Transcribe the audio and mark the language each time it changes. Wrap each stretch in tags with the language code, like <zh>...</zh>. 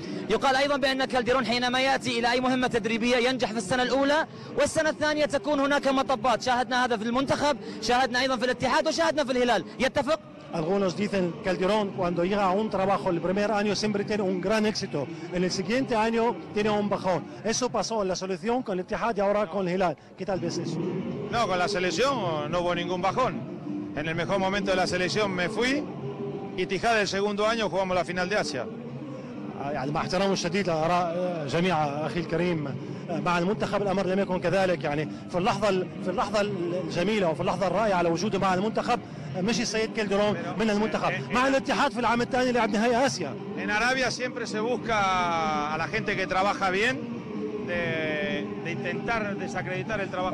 <ar>يقال ايضا بان كالديرون حينما ياتي الى اي مهمه تدريبيه ينجح في السنه الاولى والسنه الثانيه تكون هناك مطبات، شاهدنا هذا في المنتخب، شاهدنا ايضا في الاتحاد وشاهدنا في الهلال، يتفق؟</ar> <es>Algunos dicen Calderón cuando llega a un trabajo el primer año siempre tiene un gran éxito, en el siguiente año tiene un bajón. Eso pasó en la selección con el Tijad y ahora con el Hilal. ¿Qué tal ves eso? No, con la selección no hubo ningún bajón. En el mejor momento de la selección me fui y Tijad el segundo año jugamos la final de Asia.</es> <ar>يعني مع احترام الشديد لاراء جميع اخي الكريم مع المنتخب الامر لم يكن كذلك، يعني في اللحظه الجميله وفي اللحظه الرائعه لوجوده مع المنتخب مشي السيد كالديرون من المنتخب مع الاتحاد في العام الثاني لعب نهائي اسيا.</ar> <es>En Arabia siempre se busca a la gente que trabaja bien de intentar desacreditar el trabajo.</es>